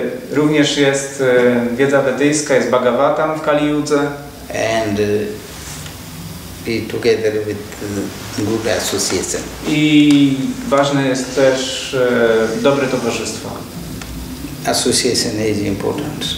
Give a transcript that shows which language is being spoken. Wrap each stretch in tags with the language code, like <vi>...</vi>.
<pl>Również jest wiedza wedyjska, jest Bhagavatam w Kali Yudze.</pl> <en>And be together with good association.</en> <pl>I ważne jest też dobre towarzystwo.</pl> <en>Association is important.</en>